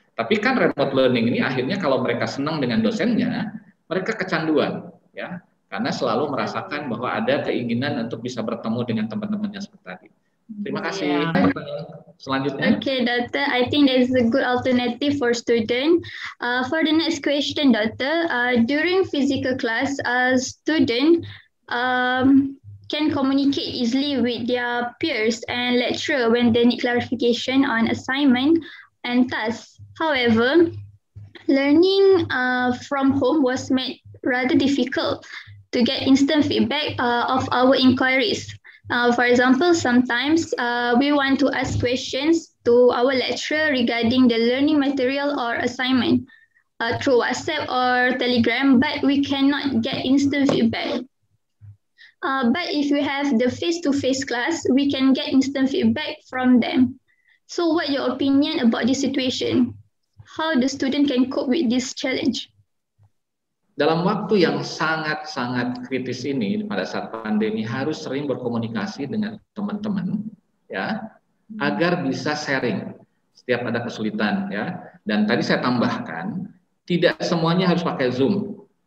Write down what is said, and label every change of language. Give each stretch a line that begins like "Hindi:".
Indonesian: Tapi kan remote learning ini akhirnya kalau mereka senang dengan dosennya, mereka kecanduan, ya. Karena selalu merasakan bahwa ada keinginan untuk bisa bertemu dengan teman-temannya seperti tadi. Terima kasih. Yeah. Selanjutnya.
English: Okay, Doctor. I think that is a good alternative for student. For the next question, Doctor. During physical class, student can communicate easily with their peers and lecturer when they need clarification on assignment and tasks. However, learning from home was made rather difficult to get instant feedback of our inquiries. For example, sometimes we want to ask questions to our lecturer regarding the learning material or assignment through WhatsApp or Telegram, but we cannot get instant feedback. But if we have the face-to-face class, we can get instant feedback from them. So what's your opinion about this situation? How the student can cope with this challenge?
Indonesian: Dalam waktu yang sangat-sangat kritis ini, pada saat pandemi, harus sering berkomunikasi dengan teman-teman, ya, agar bisa sharing setiap ada kesulitan, ya. Dan tadi saya tambahkan, tidak semuanya harus pakai Zoom.